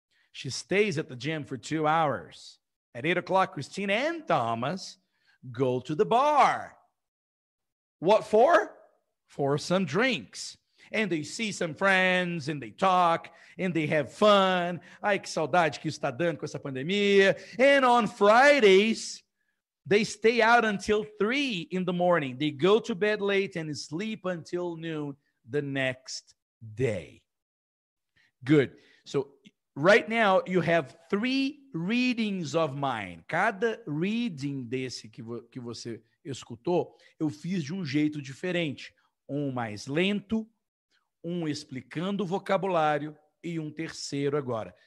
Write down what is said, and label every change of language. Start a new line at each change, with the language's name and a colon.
English: She stays at the gym for 2 hours. At 8 o'clock, Christine and Thomas go to the bar. What for? For some drinks. And they see some friends, and they talk, and they have fun.
Portuguese: Ai, que saudade que isso está dando com essa pandemia.
English: And on Fridays, they stay out until 3 in the morning. They go to bed late and sleep until noon the next day. Good. So right now, you have 3 readings of mine.
Portuguese: Cada reading desse que você escutou, eu fiz de um jeito diferente. Um mais lento. Um explicando o vocabulário e um terceiro agora.